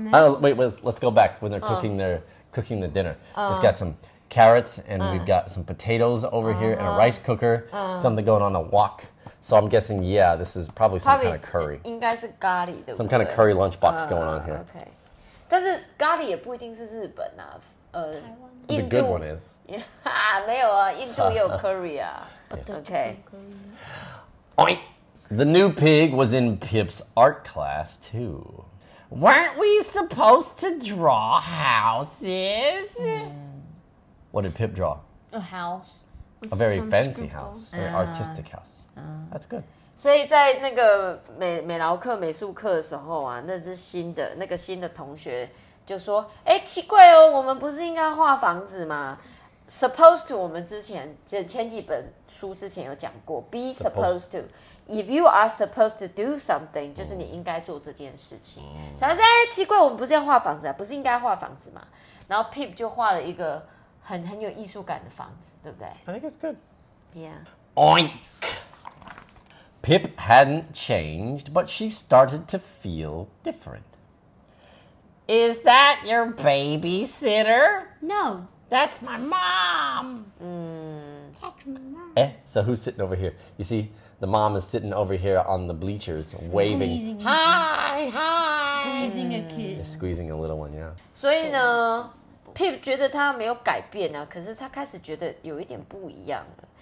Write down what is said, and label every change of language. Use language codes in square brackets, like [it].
[en] Wait, let's go back when they're cooking cooking the dinner. We've got some carrots and we've got some potatoes over here and a rice cooker. Something going on a wok. So I'm guessing, yeah, this is probably some kind of curry. [zh] 应该是咖喱的。 [en] Some kind of curry lunchbox going on here. Okay. [zh] 但是咖喱也不一定是日本啊。台湾。 [en] The good one is. [zh] 没有啊，印度有 curry 啊。Okay. Oink. [en] The new pig was in Pip's art class, too. Weren't we supposed to draw houses? What did Pip draw? A house. A very fancy house. A very artistic house. That's good. [zh] 所以在那个美劳课美术课的时候啊，那个新的同学就说，欸，奇怪哦，我们不是应该画房子吗？ [en] Supposed to, [zh] 我们之前前几本书之前有讲过 [en] be supposed to. If you are supposed to do something, [zh] 就是你应该做这件事情。所以他说，哎，奇怪，我们不是要画房子啊，不是应该画房子吗？然后 Pip 就画了一个很有艺术感的房子，对不对？ [en] I think it's good. Yeah. Oink! Pip hadn't changed, but she started to feel different. Is that your babysitter? No. That's my mom! Eh, so who's sitting over here? You see, the mom is sitting over here on the bleachers, waving. Hi! Squeezing a kid. Yeah, squeezing a little one, yeah. [zh] 所以呢 ,Pip 觉得他没有改变啊，可是他开始觉得有一点不一样了。